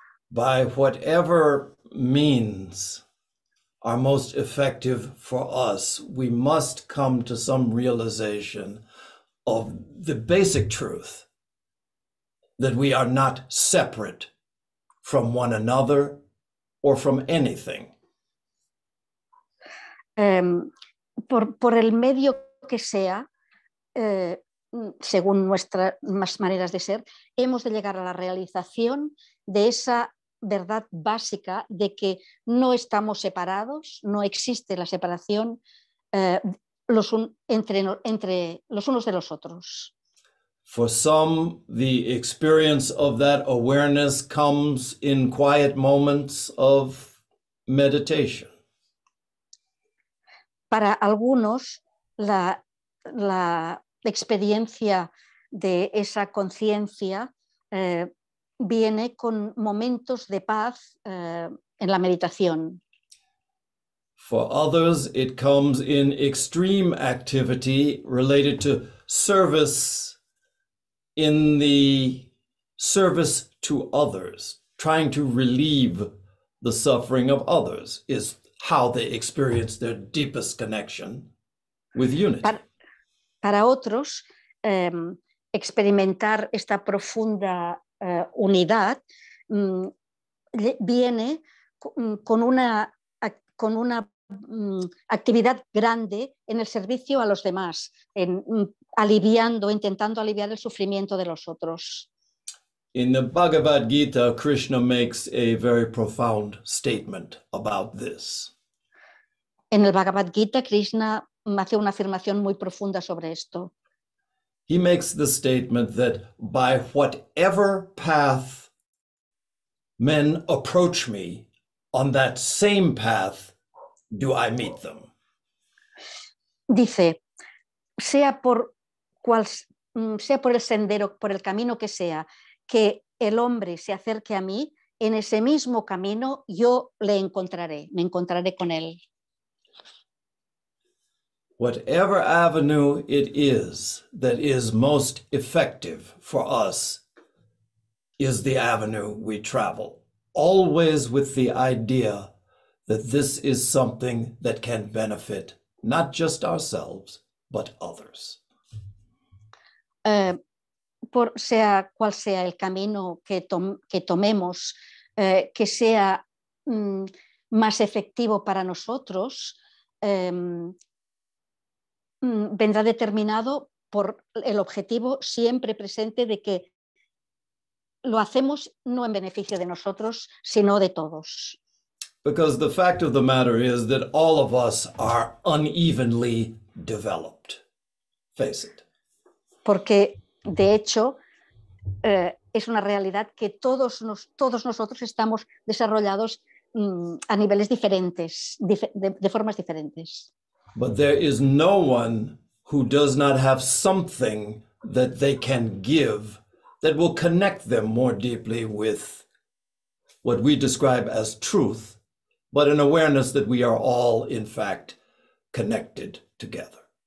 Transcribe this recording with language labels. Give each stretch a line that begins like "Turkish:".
English: By whatever means are most effective for us, we must come to some realization of the basic truth that we are not separate from one another or from anything.
Spanish: Por el medio que sea, según nuestras maneras de ser, hemos de llegar a la realización de esa verdad básica de que no estamos separados, no existe la separación entre los unos de los otros.
English: For some, the experience of that awareness comes in quiet moments of meditation.
Spanish: Para algunos, la experiencia de esa conciencia viene con momentos de paz en la meditación.
English: For others, it comes in extreme activity related to service in the service to others, trying to relieve the suffering of others is how they experience their deepest connection with unity.
Spanish: Para otros, experimentar esta profunda unidad viene con una actividad grande en el servicio a los demás, en intentando aliviar el sufrimiento de los otros.
English: In the Bhagavad Gita, Krishna makes a very profound statement about this.
Spanish: En el Bhagavad Gita, Krishna hace una afirmación muy profunda sobre esto.
English: He makes the statement that by whatever path men approach me, on that same path do I meet them.
Spanish: Dice, sea por el sendero, por el camino que sea, que el hombre se acerque a mí, en ese mismo camino yo le encontraré, me encontraré con él.
English: Whatever avenue it is that is most effective for us is the avenue we travel, always with the idea that this is something that can benefit not just ourselves, but others.
Spanish: Por sea cual sea el camino que tomemos, que sea más efectivo para nosotros, vendrá determinado por el objetivo siempre presente de que lo hacemos no en beneficio de nosotros, sino de todos.
English: Because the fact of the matter is that all of us are unevenly developed. Face it.
Spanish: Porque, de hecho, es una realidad que todos nosotros estamos desarrollados a niveles diferentes, de formas diferentes.
English: But there is no one who does not have something that they can give that will connect them more deeply with what we describe as truth, but an awareness that we are all, in fact, connected together.